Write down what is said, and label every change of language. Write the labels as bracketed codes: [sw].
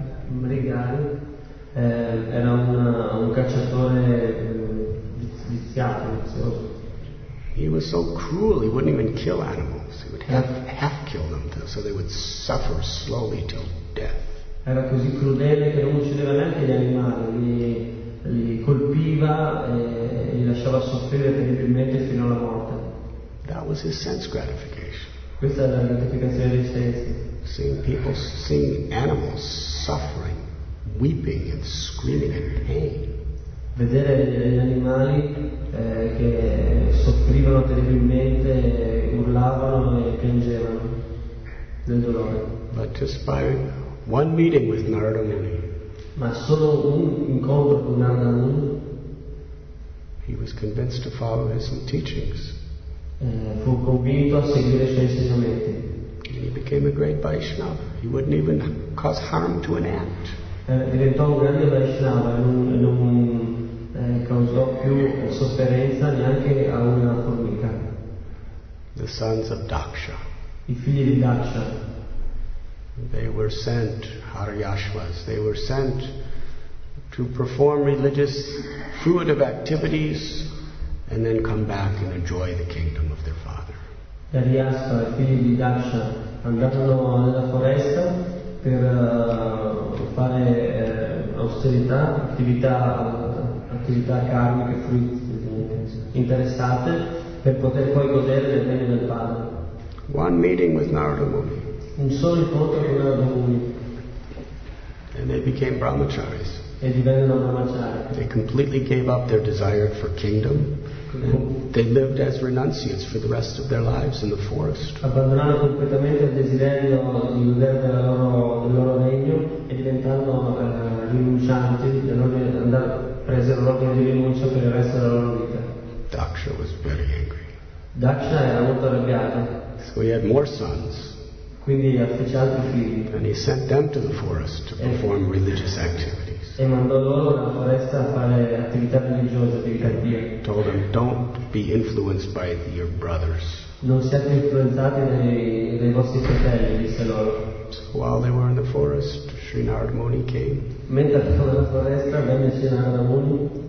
[it] Mugrari era un cacciatore viziato, vizioso. [en] He was so cruel, he wouldn't even kill animals. He would half kill them, so they would suffer slowly till death. [it] Era così crudele che non uccideva neanche gli animali, li colpiva e li lasciava soffrire terribilmente fino alla morte. [en] That was his sense gratification. [it] Questa era la gratificazione dei sensi. [en] Seeing animals suffering, weeping and screaming in pain. [it] Vedere gli animali che soffrivano terribilmente, urlavano e piangevano del dolore. [en] But just by one meeting with Narada Muni, [it] ma solo un incontro con Narada Muni, [en] he was convinced to follow his teachings. [it] Fu convinto a seguire i suoi insegnamenti. [en] He became a great Vaishnava. He wouldn't even cause harm to an ant. [it] Diventò un grande Vaishnava, non causò più sofferenza neanche a una formica. [en] The sons of Daksha. [it] I figli di Daksha. [en] They were sent, Haryashvas, they were sent to perform religious fruitive activities and then come back and enjoy the kingdom of their father. [it] Haryashva, i figli di Daksha, andarono nella foresta per fare austerità, attività karmiche, interessate, per poter poi godere del bene del padre. [en] One meeting with Narada Muni. [it] Un solo incontro con Narada Muni. [en] And they became brahmacharis. [it] E divennero brahmacharis. [en] They completely gave up their desire for kingdom. And they lived as renunciates for the rest of their lives in the forest. [it] Abbandonando completamente il desiderio di godere del loro regno e diventando rinuncianti, presero l'ordine di rinuncia per il resto della loro vita. [en] Daksha was very angry. [it] Daksha era molto arrabbiato. [en] So he had more sons. [it] Quindi fece altri figli. [en] And he sent them to the forest to perform religious activities. [it] E mandò loro nella foresta a fare attività religiose, attività di Dio. [en] Told them, don't be influenced by your brothers. [it] Non siate influenzati dai vostri fratelli, disse loro. [en] So while they were in the forest, Sri Narada Muni came. [it] Mentre erano nella foresta, venne Sri Narada Muni.